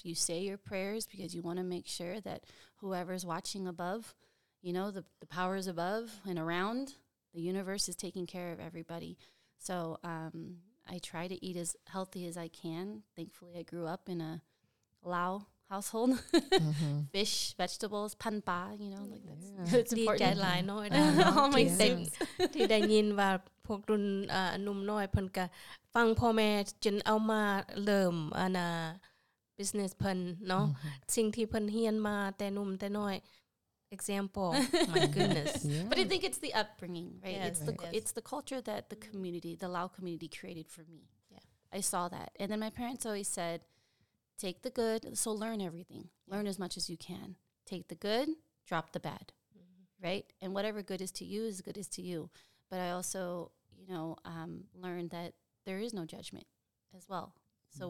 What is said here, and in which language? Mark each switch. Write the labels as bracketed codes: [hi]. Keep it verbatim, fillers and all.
[en] You say your prayers because you want to make sure that whoever's watching above, you know, the, the powers above and around, the universe is taking care of everybody. So um, I try to eat as healthy as I can. Thankfully, I grew up in a Lao household. Mm-hmm. Fish, vegetables, pan pa, you know, like that's, yeah. that's important. [tts] ดีใจหลายน้อยนะ [en] All my [tts] ได้ [en] soups. [tts] ที่ได้ยินว่าพวกรุ่นอ่าหนุ่มน้อยเพิ่นก็ฟังพ่อแม่จนเอามาเริ่มอันน่ะ business เพิ่นเนาะสิ่งที่เพิ่นเรียนมาแต่หนุ่มแต่น้อย example my goodness [en] yeah. But I think it's the upbringing, right? Yes, it's right. the it's the culture that the community, the Lao community created for me. Yeah. I saw that. And then my parents always said, take the good, so learn everything. Learn as much as you can. Take the good, drop the bad, mm-hmm. right? And whatever good is to you is good is to you. But I also, you know, um, learned that there is no judgment as well. So mm-hmm.